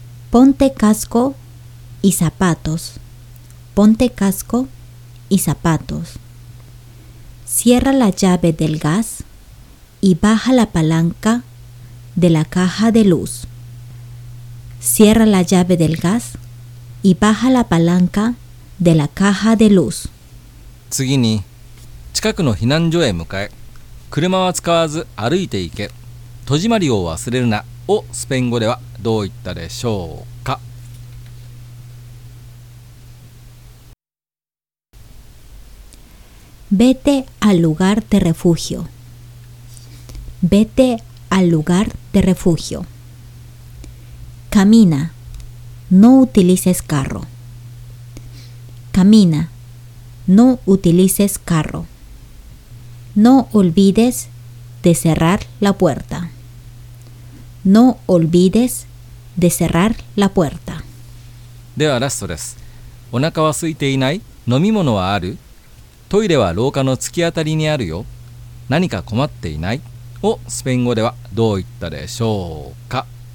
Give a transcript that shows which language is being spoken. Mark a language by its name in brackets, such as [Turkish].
[Spanish] Ponte casco y zapatos. Ponte casco y zapatos. Cierra la llave del gas y baja la palanca de la caja de luz. Cierra la llave del gas y baja la palanca de la caja de luz. [Japanese] 次に、近くの避難所へ向かえ。車は使わず歩いて行け。戸締まりを忘れるなをスペイン語ではどう言ったでしょうか？ [Spanish] Vete al lugar de refugio. Vete al lugar de refugio. Camina. No utilices carro. Camina. No utilices carro. No olvides de cerrar la puerta. No olvides de cerrar la puerta. [Japanese] ではラストです。お腹は空いていない？飲み物はある？トイレは廊下の突き当たりにあるよ。何か困っていない？をスペイン語ではどう言ったでしょうか？